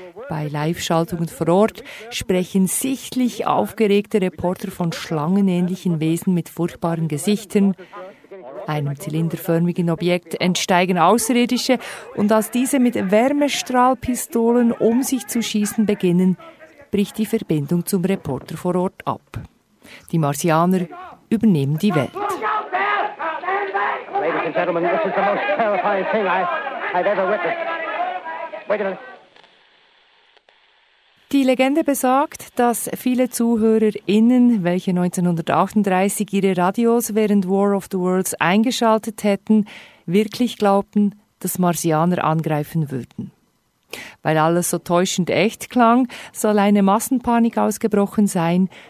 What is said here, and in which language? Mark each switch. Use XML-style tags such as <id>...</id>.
<de>Bei Live-Schaltungen vor Ort sprechen sichtlich aufgeregte Reporter von schlangenähnlichen Wesen mit furchtbaren Gesichtern. Einem zylinderförmigen Objekt entsteigen Außerirdische und als diese mit Wärmestrahlpistolen um sich zu schießen beginnen, bricht die Verbindung zum Reporter vor Ort ab. Die Marsianer übernehmen die Welt.</de> <en>Ladies and gentlemen, this is the most terrifying thing I've ever witnessed. Wait a minute.</en> <de>Die Legende besagt, dass viele ZuhörerInnen, welche 1938 ihre Radios während War of the Worlds eingeschaltet hätten, wirklich glaubten, dass Marsianer angreifen würden. Weil alles so täuschend echt klang, soll eine Massenpanik ausgebrochen sein.</de>